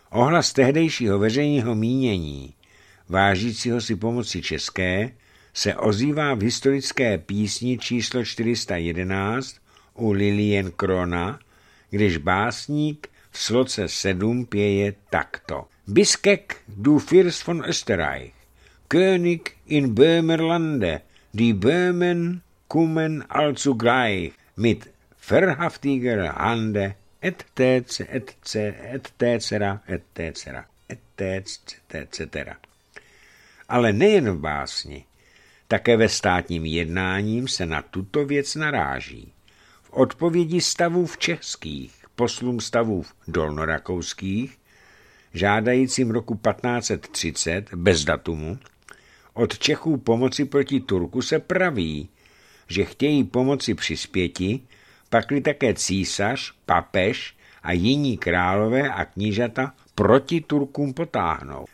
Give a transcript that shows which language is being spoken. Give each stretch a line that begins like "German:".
Czech: Ohlas tehdejšího veřejného mínění, vážícího si pomoci české, se ozývá v historické písni číslo 411 u Liljenkrona, když básník v sloce 7 pěje takto.
German: Biskek du Fürst von Österreich, König in Böhmerlande, die Böhmen kommen allzu gleich, mit verhaftiger Hande, etc.
Czech: Ale nejen v básni, také ve státním jednání se na tuto věc naráží. V odpovědi stavův českých, poslům stavův dolnorakouských, žádajícím roku 1530 bez datumu, od Čechů pomoci proti Turku se praví, že chtějí pomoci přispěti, pakli také císař, papež a jiní králové a knížata proti Turkům potáhnou.